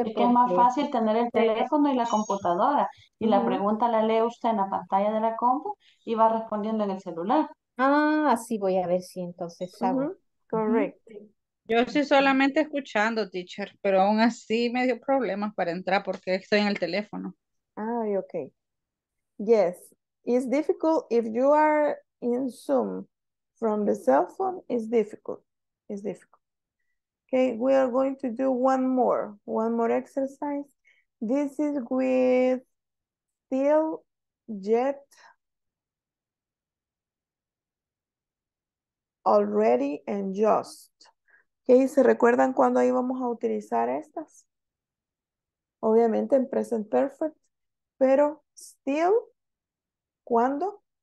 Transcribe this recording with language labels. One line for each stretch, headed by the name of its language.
Spanish: Es que es más fácil tener el teléfono y la computadora. Y la pregunta la lee usted en la pantalla de la compu y va respondiendo en el celular. Ah, así voy a ver si entonces hago. Correcto. Yo estoy solamente escuchando, teacher, pero aún así me dio problemas para entrar porque estoy en el teléfono.
English: Ah, ok. Yes. It's difficult if you are in Zoom from the cell phone. It's difficult. Okay, we are going to do one more exercise. This is with still, yet, already, and just.
Spanish: Okay, ¿se recuerdan cuándo íbamos a utilizar estas? Obviamente en present perfect, pero still, ¿cuándo?